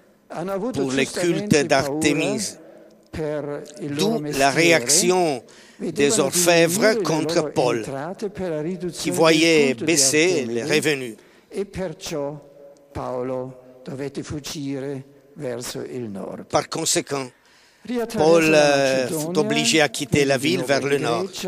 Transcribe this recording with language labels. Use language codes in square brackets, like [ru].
[fr] pour le culte d'Artémis, d'où la réaction des orfèvres contre Paul, qui voyaient baisser les revenus. [it] Et perciò Paolo dovette fuggire verso il nord. [fr] Par conséquent, Paul fut obligé à quitter la ville vers le nord.